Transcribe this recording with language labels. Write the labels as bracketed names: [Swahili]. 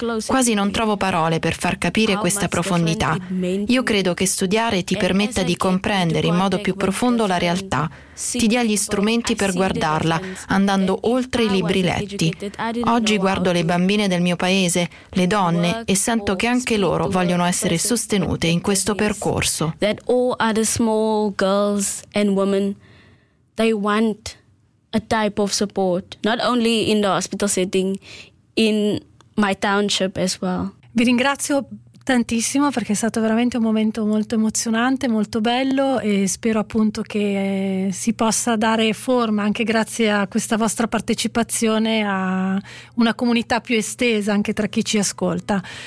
[Italian] Quasi non trovo parole per far capire questa profondità. Io credo che studiare ti permetta di comprendere in modo più profondo la realtà, ti dia gli strumenti per guardarla, andando oltre i libri letti. Oggi guardo le bambine del mio paese, le donne, e sento che anche loro vogliono essere sostenute in questo percorso. [English] That all other small girls and women, they want a type of support, not only in the hospital setting, in my township as well. [Italian] Vi ringrazio tantissimo perché è stato veramente un momento molto emozionante, molto bello e spero appunto che si possa dare forma anche grazie a questa vostra partecipazione a una comunità più estesa anche tra chi ci ascolta.